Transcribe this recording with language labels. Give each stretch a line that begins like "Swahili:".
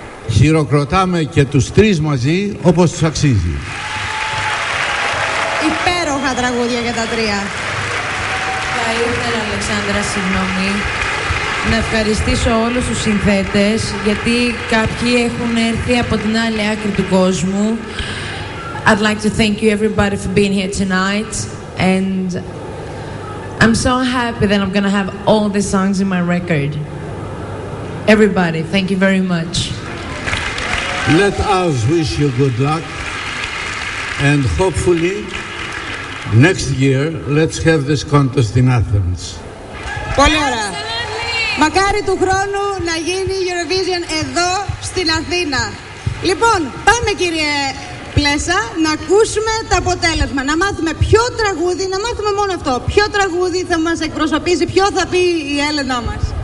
Greek: Χειροκροτάμε και τους τρεις μαζί όπως τους αξίζει. Υπέροχα τραγούδια για τα τρία. Θα ήθελα, Αλεξάνδρα, συγγνώμη, να ευχαριστήσω όλους τους συνθέτες, γιατί κάποιοι έχουν έρθει από την άλλη άκρη του κόσμου.
English: I'd like to thank you everybody for being here tonight, and I'm so happy that I'm gonna have all the songs in my record. Everybody, thank you very much. Let us wish you good luck, and hopefully next year let's have this contest in Athens.
Greek: Πολύ ωραία. Μακάρι του χρόνου να γίνει Eurovision εδώ στην Αθήνα. Λοιπόν, πάμε, κύριε Πλέσσα, να ακούσουμε το αποτέλεσμα, να μάθουμε ποιο τραγούδι, να μάθουμε μόνο αυτό. Ποιο τραγούδι θα μας εκπροσωπήσει, ποιο θα πει η Έλενα μας.